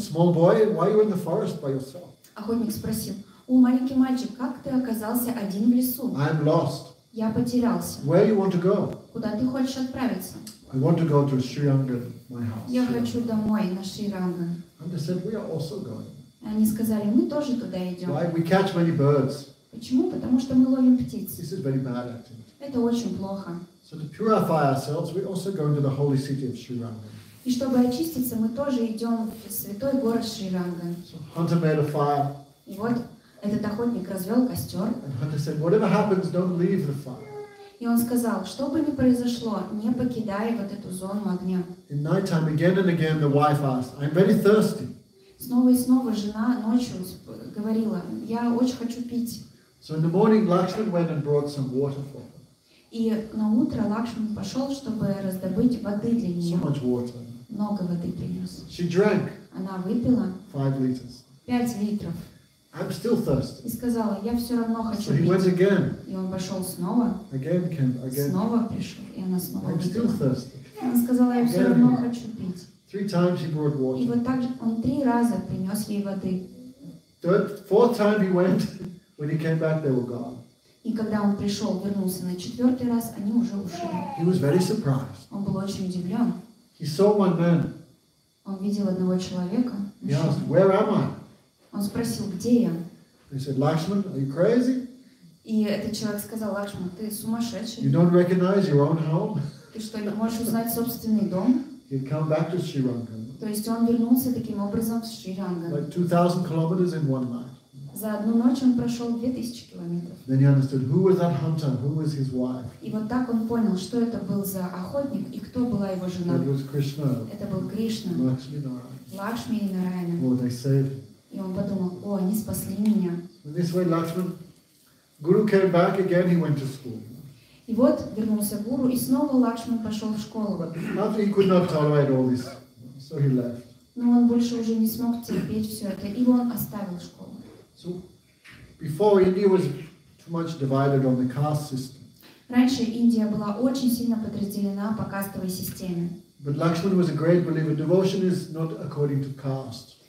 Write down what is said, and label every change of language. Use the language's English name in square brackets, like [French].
[English] Small boy, why are you in the forest by yourself? [Russian] Охотник спросил: о, маленький мальчик, как ты оказался один в лесу? [English] I'm lost. [Russian] Я потерялся. [English] Where you want to go? [Russian] Куда ты хочешь отправиться? [English] I want to go to Sriranga, my house. [Russian] Я хочу домой, на Шриранга. [English] And they said, we are also going. [Russian] Они сказали: мы тоже туда идем. [English] Why? We catch many birds. [Russian] Почему? Потому что мы ловим птиц. [English] This is very bad acting. [Russian] Это очень плохо. [English] So to purify ourselves, we also go into the holy city of Sriranga. [Russian] И чтобы очиститься, мы тоже идем в святой город Шриранга. [English] So hunter made a fire. [Russian] И вот этот охотник развел костер. [English] Said, whatever happens, don't leave the fire. [Russian] И он сказал: что бы ни произошло, не покидай вот эту зону огня. [English] In nighttime, again and again, the wife asked, I'm very thirsty. [Russian] Снова и снова жена ночью говорила: я очень хочу пить. [English] So in the morning, Lakshman went and brought some water for her. [Russian] И на утро Лакшман пошел, чтобы раздобыть воды для нее. [English] So much water. [Russian] Много воды принес. [English] She drank. [Russian] Она выпила. [English] 5 liters. [Russian] 5 литров. [English] I'm still thirsty. [Russian] И сказала, я все равно хочу пить. [English] So he went again. [Russian] И он пошел снова. [English] Again came. Again. [Russian] Снова пришел. И она снова выпила. [English] I'm still thirsty. [Russian] И она сказала, я все равно хочу пить. [English] 3 times he brought water. [Russian] И вот так же он 3 раза принес ей воды. [English] The 4th time he went, when he came back, they were gone. [Russian] И когда он пришел, вернулся на 4-й раз, они уже ушли. [English] He was very surprised. [Russian] Он был очень удивлен. [English] He saw one man. [Russian] Он видел одного человека. [English] He asked, "Where am I?" [Russian] Он спросил, где я? [English] He said, "Lakshman, are you crazy?" [Russian] И этот человек сказал, Лакшман, ты сумасшедший. [English] You don't recognize your own home? [Russian] Ты что, не можешь узнать собственный дом? [English] He'd come back to Sri Lanka. [Russian] То есть он вернулся таким образом в Шри-Ланку. [English] Like 2,000 kilometers in one night. [Russian] За одну ночь он прошел 2000 километров. [English] Then he understood who was that hunter, who was his wife. [Russian] И вот так он понял, что это был за охотник и кто была его жена. [English] It was Krishna. [Russian] Это был Кришна. Лакшми и Нараяна. [English] Oh, they saved. [Russian] И он подумал, о, они спасли меня. [English] In this way, Lakshman, Guru came back again. He went to school. [Russian] И вот вернулся Гуру и снова Лакшман пошел в школу. [English] After he could not tolerate all this, so he left. [Russian] Но он больше уже не смог терпеть все это, и он оставил школу. [English] So, before India was too much divided on the caste system. [Russian] Раньше Индия была очень сильно подразделена по кастовой системе. [English] But Lakshman was a great believer. Devotion is not according to caste.